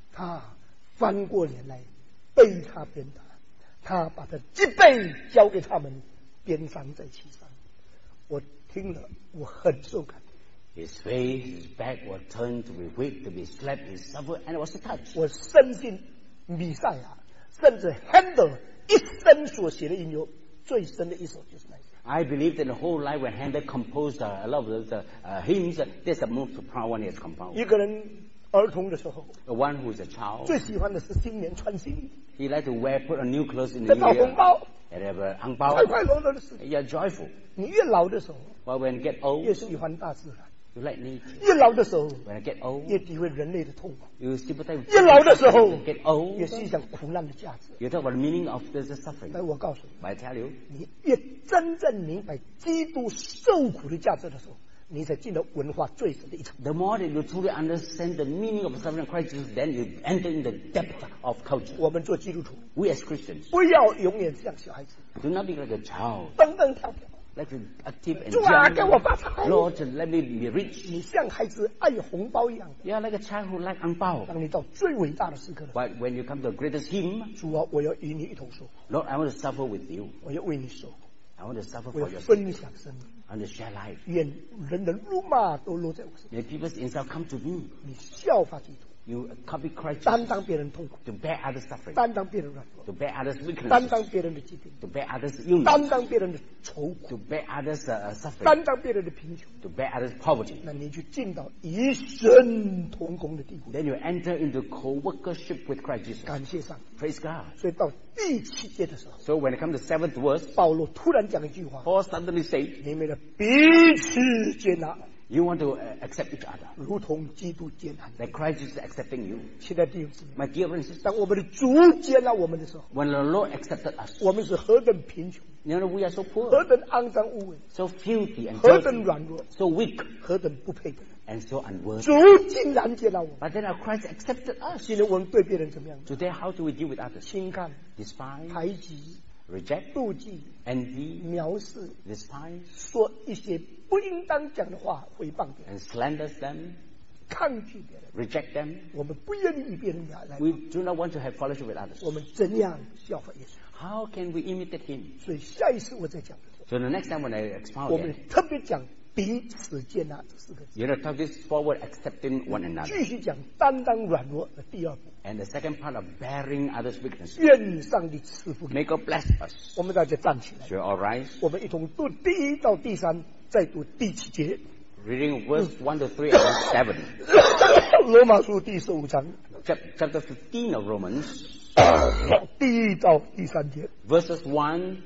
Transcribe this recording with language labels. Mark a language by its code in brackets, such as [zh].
[zh] 他翻过脸来，被他鞭打，他把他脊背交给他们，鞭伤在其上。我听了，我很受感。 [en] His face, his back were turned to be whipped, to be slapped, he suffered, and it was a touch. [zh] 我深信弥赛亚，甚至 Handel 一生所写的音乐最深的一首就是那一首。 [en] I believe that the whole life when Handel composed a lot of the hymns, that's the most proud one he has composed. [zh] 一个人儿童的时候 [en] ，the one who's a child， [zh] 最喜欢的是新年穿新。 [en] He likes to wear put a new clothes in the new year. [zh] 得到红包 [en] ，and have a 红包， [zh] 快快乐乐的事。 [en] You're joyful. [zh] 你越老的时候 [en] ，but when you get old， [zh] 越喜欢大自然。 [en] You like nature. [zh] 越老的时候 [en] ，when I get old， [zh] 越体会人类的痛苦。 [en] You sympathize with [zh] 越老的时候 [en] ，get old， [zh] 越思想苦难的价值。 [en] You talk about the meaning of this suffering. [zh] 但我告诉你 [en] ，I tell you， [zh] 你越真正明白基督受苦的价值的时候，你才进了文化最深的一层。 [en] The more that you truly understand the meaning of suffering Christ, then you enter in the depth of culture. [zh] 我们做基督徒 [en] ，we as Christians， [zh] 不要永远像小孩子 [en] ，do not be like a child， [zh] 蹦蹦跳跳。 [en] Let's be active and joyful. Lord, let me be rich. [zh] 你像孩子爱红包一样。 [en] Yeah, like a child who like 红包。 [zh] 当你到最伟大的时刻。 [en] But when you come to the greatest hymn, [zh] 主啊，我要与你一同受苦。 [en] Lord, I want to suffer with you. [zh] 我要为你受苦。 [en] I want to suffer for your sake. [zh] 我要分享生命。 [en] I want to share life. [zh] 愿人的辱骂都落在我身上。 [en] May people's insult come to me. [zh] 你效法基督。 [en] You copy Christ. [zh] 担当别人痛苦。 [en] To bear others' suffering. [zh] 担当别人软弱。 [en] To bear others' weakness. [zh] 担当别人的疾病。 [en] To bear others' illness. [zh] 担当别人的愁苦。 [en] To bear others' suffering. [zh] 担当别人的贫穷。 [en] To bear others' poverty. [zh] 那你就进到一身同工的地步。 [en] Then you enter into co-workership with Christ Jesus. [zh] 感谢上帝。 [en] Praise God. [zh] 所以到第七节的时候。 [en] So when it comes to seventh verse, [zh] 保罗突然讲一句话。 [en] Paul suddenly said, [zh] 你们的彼此接纳。 [en] You want to accept each other, [zh] 如同基督接纳。 [en] That Christ is accepting you. [zh] 亲爱的弟兄姊妹 [en] ，My dear friends, [zh] 当我们的主接纳我们的时候 [en] ，When the Lord accepted us, [zh] 我们是何等贫穷 [en] ，You know we are so poor, [zh] 何等肮脏污秽 [en] ，So filthy and [zh] 何等软弱 [en] ，So weak, [zh] 何等不配得 [en] ，And so unworthy. [zh] 主竟然接纳我们 [en] ，But then Christ accepted us. [zh] 今天我们对别人怎么样 [en] ？Today how do we deal with others? [zh] 轻看 [en] ，Despise, [zh] 排挤。 [en] Reject, [zh] 妒忌 [en] envy, [zh] 藐视 [en] despise, [zh] 说一些不应当讲的话诽谤别人 [en] and slander them, [zh] 抗拒别人 [en] reject them, [zh] 我们不愿意与别人来往 [en] we do not want to have fellowship with others, [zh] 我们怎样效法耶稣 [en] how can we imitate him? [zh] 所以下一次我再讲 [en] so the next time when I expound [zh] 我们特别讲彼此接纳这四个字 [en] you know, talk this forward accepting one another [zh] 继续讲担当软弱的第二步 [en] And the second part of bearing others' weakness. [zh] 愿上帝赐福。 [en] May God bless us. [zh] 我们大家站起来。 [en] So all rise. [zh] 我们一同读第一到第三，再读第七节。 [en] Reading verse 1-3 and 7. [zh] 罗马书第十五章。 [en] Chapter 15 of Romans. [zh] 第一到第三节。 [en] Verses 1.